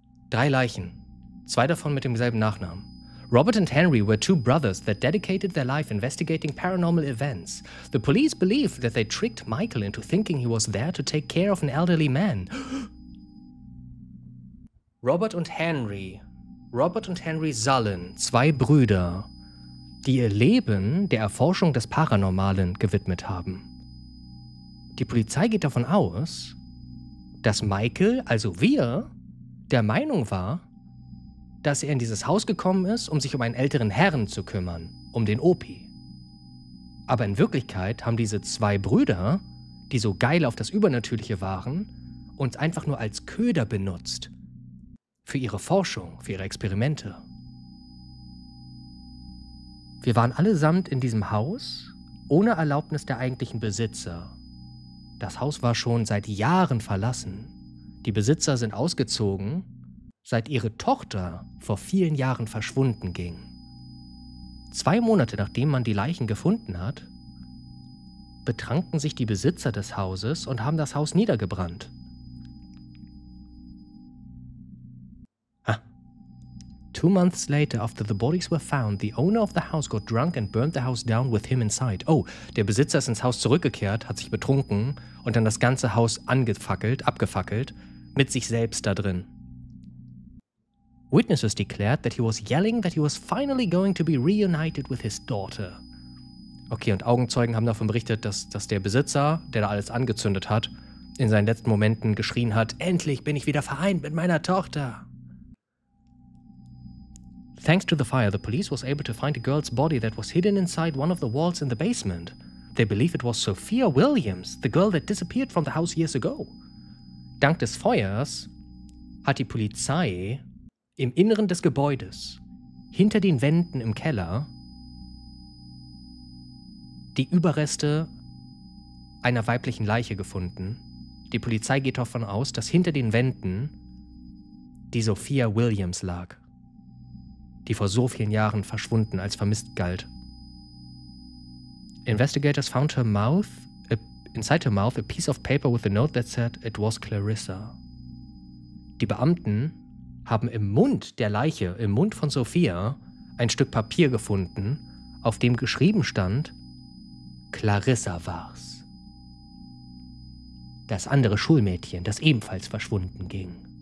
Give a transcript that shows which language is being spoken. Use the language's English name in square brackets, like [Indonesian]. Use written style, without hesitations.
[German] 3 Leichen. 2 davon mit demselben Nachnamen. [English] Robert and Henry were 2 brothers that dedicated their life investigating paranormal events. The police believe that they tricked Michael into thinking he was there to take care of an elderly man. [German] Robert und Henry. Robert und Henry Zullen, 2 Brüder, die ihr Leben der Erforschung des Paranormalen gewidmet haben. Die Polizei geht davon aus, dass Michael, also wir, der Meinung war, dass er in dieses Haus gekommen ist, um sich um einen älteren Herrn zu kümmern, um den Opi. Aber in Wirklichkeit haben diese 2 Brüder, die so geil auf das Übernatürliche waren, uns einfach nur als Köder benutzt. Für ihre Forschung, für ihre Experimente. Wir waren allesamt in diesem Haus, ohne Erlaubnis der eigentlichen Besitzer. Das Haus war schon seit Jahren verlassen. Die Besitzer sind ausgezogen, seit ihre Tochter vor vielen Jahren verschwunden ging. 2 Monate, nachdem man die Leichen gefunden hat, betranken sich die Besitzer des Hauses und haben das Haus niedergebrannt. Ah. [English] 2 months later, after the bodies were found, the owner of the house got drunk and burned the house down with him inside. [German] Oh, der Besitzer ist ins Haus zurückgekehrt, hat sich betrunken und dann das ganze Haus abgefackelt, mit sich selbst da drin. [English] Witnesses declared that he was yelling that he was finally going to be reunited with his daughter. [German] Okay, und Augenzeugen haben davon berichtet, dass der Besitzer, der da alles angezündet hat, in seinen letzten Momenten geschrien hat, endlich bin ich wieder vereint mit meiner Tochter. [English] Thanks to the fire, the police was able to find a girl's body that was hidden inside one of the walls in the basement. They believe it was Sophia Williams, the girl that disappeared from the house years ago. [German] Dank des Feuers hat die Polizei im Inneren des Gebäudes, hinter den Wänden im Keller, die Überreste einer weiblichen Leiche gefunden. Die Polizei geht davon aus, dass hinter den Wänden die Sophia Williams lag, die vor so vielen Jahren verschwunden als vermisst galt. [English] Investigators found her mouth, inside her mouth, a piece of paper with a note that said it was Clarissa. [German] Die Beamten haben im Mund der Leiche, im Mund von Sophia, ein Stück Papier gefunden, auf dem geschrieben stand, Clarissa war's. Das andere Schulmädchen, das ebenfalls verschwunden ging.